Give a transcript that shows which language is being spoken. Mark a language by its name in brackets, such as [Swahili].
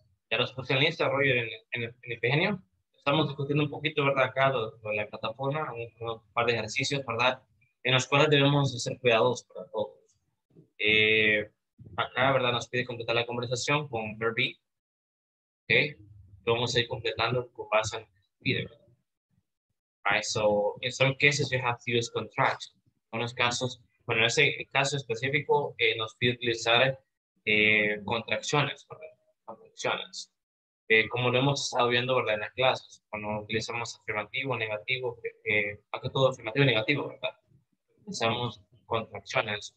[Spanish] Ya los puse en lista, Roger, en el Ingenio. Estamos discutiendo un poquito, ¿verdad?, acá de la plataforma, un par de ejercicios, ¿verdad?, en los cuales debemos ser cuidadosos para todos. Acá, ¿verdad?, nos pide completar la conversación con verb be. ¿Ok? Vamos a ir completando con base en el video, ¿verdad? [English] Right, so, in some cases, you have to use contractions. [Spanish] En unos casos, bueno, en ese caso específico nos pide utilizar contracciones, ¿verdad? Contracciones. Como lo hemos estado viendo, ¿verdad?, en las clases, cuando utilizamos afirmativo, negativo, más que todo afirmativo y negativo, ¿verdad?, utilizamos contracciones.